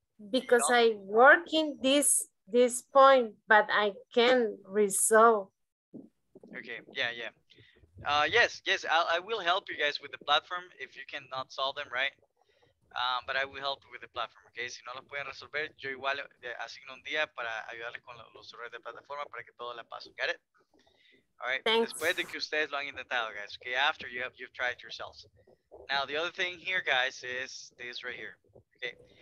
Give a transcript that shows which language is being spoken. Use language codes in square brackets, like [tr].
[en] Because I work in this point, but I can resolve. Okay, yeah. Yes, I will help you guys with the platform if you cannot solve them, right? But I will help you with the platform, okay? [es] Si no lo pueden resolver, yo igual asigno un día para ayudarles con los errores de plataforma para que todo la paso. [en] Got it? All right. Thanks. [es] Después de que ustedes lo han intentado, guys, okay? [en] After you've tried yourselves. Now, the other thing here, guys, is this right here, okay?